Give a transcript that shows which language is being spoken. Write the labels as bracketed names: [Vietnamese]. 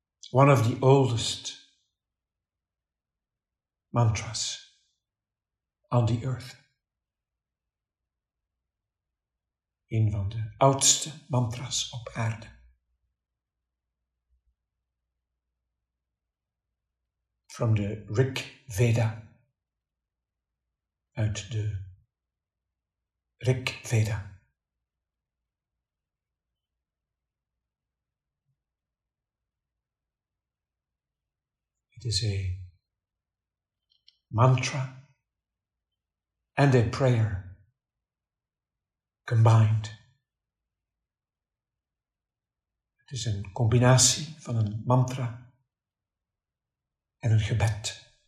[English] One of the oldest mantras on the earth. [Dutch] Een van de oudste mantras op aarde. [English] From the Rig Veda. [Dutch] Uit de Rig Veda. [English] It is a mantra and a prayer combined. It is [Dutch] een combinatie van een mantra en een gebed.